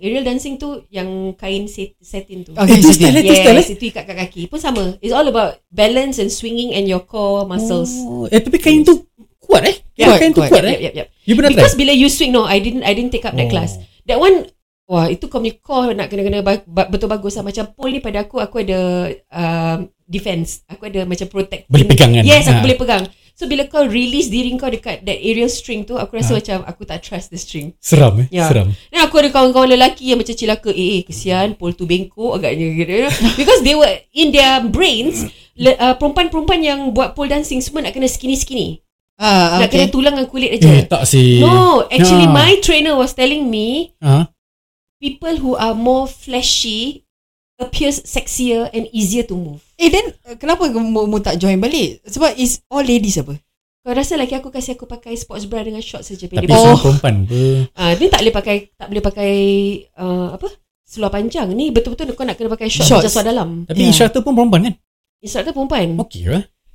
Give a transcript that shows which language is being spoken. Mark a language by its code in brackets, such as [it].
[ms] Aerial dancing tu yang kain satin tu. Okay, itu style. Yes, itu ikat kat kaki. Pun sama. [en] It's all about balance and swinging and your core muscles. [ms] Tapi kain tu kuat eh? Kain tu kuat. Yep. You pernah try? [en] Because [ms] bila [en] you swing, no, I didn't take up that class. [ms] That one, wah, itu kau punya core nak kena-kena betul bagus lah. Macam pole ni pada aku ada defense. Aku ada macam protect. Boleh pegang kan? Yes, aku boleh pegang. So bila kau release diri kau dekat [en] that aerial string [ms] tu, aku rasa macam aku tak [en] trust the string. [ms] Seram eh? Yeah. Seram. Dan aku ada kawan-kawan lelaki yang macam cilaka, kesian, pole tu bengkok agaknya. [en] Because they were in their brains, [ms] perempuan-perempuan yang buat pole dancing semua nak kena skinny-skinny. Nak kena tulang dengan kulit aja. Tak sih. [en] No, actually my trainer was telling me, people who are more fleshy appears sexier and easier to move. [ms] Then kenapa kamu tak join balik? Sebab [en] it's all ladies [ms] apa? Kau rasa lelaki aku kasi aku pakai sports bra dengan shorts saja. Tapi semua perempuan ni tak boleh pakai apa? Seluar panjang. Ni betul-betul kau nak kena pakai shorts macam seluar dalam. Tapi instructor pun perempuan kan? Instructor perempuan. Okay lah.